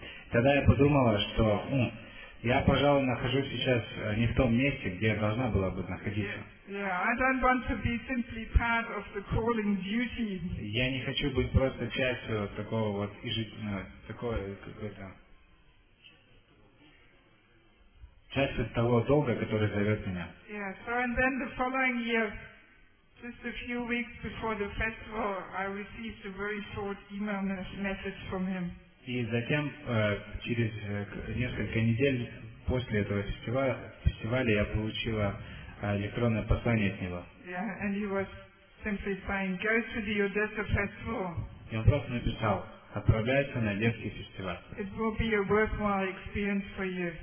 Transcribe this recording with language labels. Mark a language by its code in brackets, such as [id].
[ru] Тогда я подумала, что... Я, пожалуй, нахожусь сейчас не в том месте, где я должна была бы находиться. Я не хочу быть просто частью такого вот ежедневного, такого какой-то Часть того долга, который зовет меня. [en] Yeah, so and then the following year, just a few weeks before the festival, I received a very short email message from him. [ru] И затем, через несколько недель после этого фестиваля, я получила электронное послание от него. [en] Yeah, and he was simply saying, go to the Odessa festival. [ru] И он просто написал, отправляйся на Одесский фестиваль. [en] It will be a worthwhile experience for you.